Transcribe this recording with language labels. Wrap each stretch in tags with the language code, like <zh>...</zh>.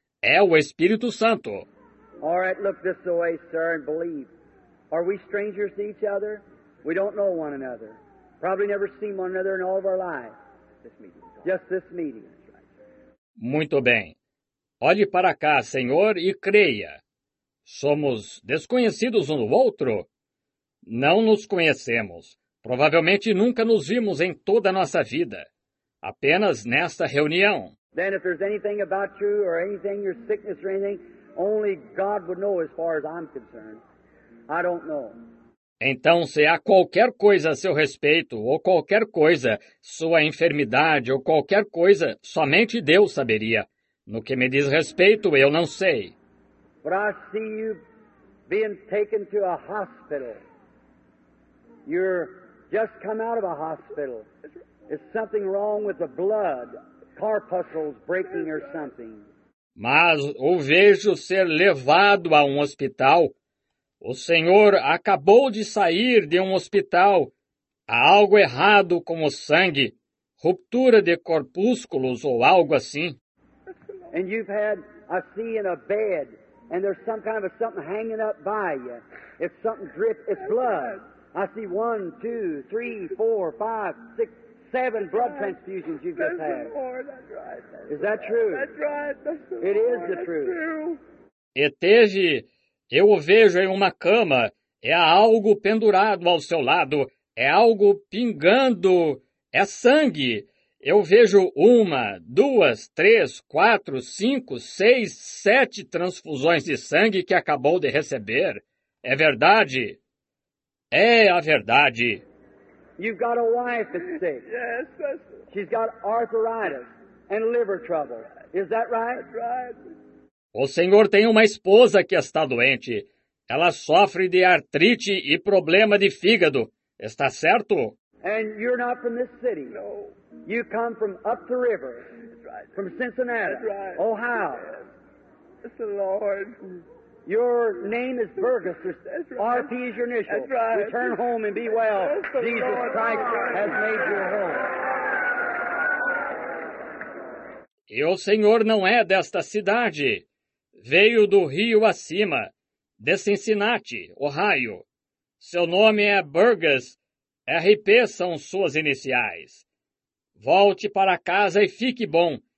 <pt>É o Espírito Santo.</pt> <en>All right, look this way, sir, and believe. Are we strangers to each other? We don't know one another. Probably never seen one another in all of our lives. Just this meeting.</en> <pt>Muito bem. Olhe para cá, Senhor, e creia. Somos desconhecidos um do outro? Não nos conhecemos. Provavelmente nunca nos vimos em toda a nossa vida. Apenas nesta reunião.</pt> <en>Then if there's anything about you or anything, your sickness or anything, only God would know as far as I'm concerned. I don't know.</en> <pt>Então, se há qualquer coisa a seu respeito, ou qualquer coisa, sua enfermidade, ou qualquer coisa, somente Deus saberia. No que me diz respeito, eu não sei.</pt> <en>But I see you being taken to a hospital. You're just come out of a hospital. Is something wrong with the blood? Carpuscles breaking or something.</en> <pt>Mas o vejo ser levado a um hospital. O senhor acabou de sair de um hospital. Há algo errado com o sangue. Ruptura de corpúsculos ou algo assim.</pt> <en>And you've had a sea in a bed, and there's some kind of a something hanging up by you. If something drips, it's blood. I see 1, 2, 3, 4, 5, 6, 7 blood transfusions you've just had. Is that true? That's right. It is the truth.</en> <pt>E teve, eu o vejo em uma cama, é algo pendurado ao seu lado, é algo pingando, é sangue. Eu vejo 1, 2, 3, 4, 5, 6, 7 transfusões de sangue que acabou de receber. É verdade? É a verdade.</pt> <en>You've got a wife that's sick. Yes, that's... She's got arthritis and liver trouble. Is that right? That's right.</en> <pt>O senhor tem uma esposa que está doente. Ela sofre de artrite e problema de fígado. Está certo?</pt> <en>And you're not from this city. No. You come from up the river. That's right. From Cincinnati. That's right. Ohio. Yes. The Lord. Your name is Burgess. RP is your initial. That's right. Return home and be well. Jesus Christ has made you whole.</en> <pt>E o senhor não é desta cidade. Veio do rio acima, de Cincinnati, Ohio. Seu nome é Burgess. RP são suas iniciais. Volte para casa e fique bom.</pt>